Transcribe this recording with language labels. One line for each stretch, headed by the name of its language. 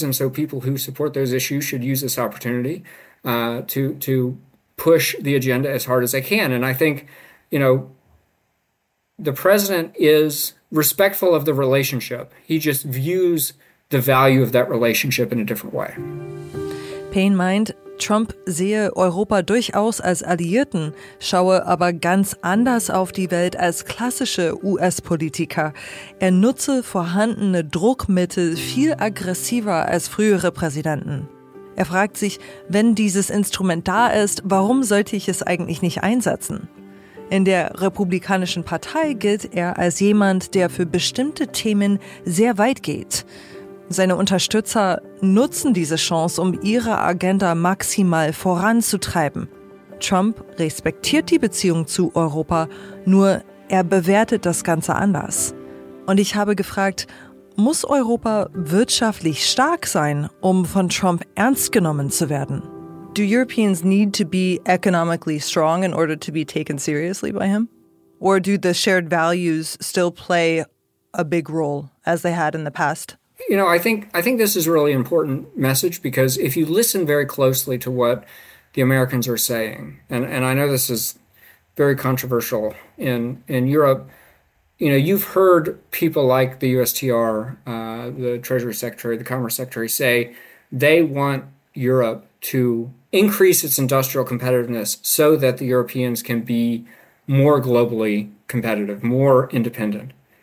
English: And so people who support those issues should use this opportunity to push the agenda as hard as they can. And I think, you know, the president is respectful of the relationship. He just views the value of that relationship in a different way.
German: Payne meint, Trump sehe Europa durchaus als Alliierten, schaue aber ganz anders auf die Welt als klassische US-Politiker. Er nutze vorhandene Druckmittel viel aggressiver als frühere Präsidenten. Er fragt sich, wenn dieses Instrument da ist, warum sollte ich es eigentlich nicht einsetzen? In der Republikanischen Partei gilt er als jemand, der für bestimmte Themen sehr weit geht. Seine Unterstützer nutzen diese Chance, um ihre Agenda maximal voranzutreiben. Trump respektiert die Beziehung zu Europa, nur er bewertet das Ganze anders. Und ich habe gefragt, muss Europa wirtschaftlich stark sein, um von Trump ernst genommen zu werden?
English: Do Europeans need to be economically strong in order to be taken seriously by him? Or do the shared values still play a big role as they had in the past? You know, I think this is a really important message, because if you listen very closely to what the Americans are saying, and I know this is very controversial in Europe, you know, you've heard people like the USTR, the Treasury Secretary, the Commerce Secretary say they want Europe to increase its industrial competitiveness so that the Europeans can be more globally competitive, more independent.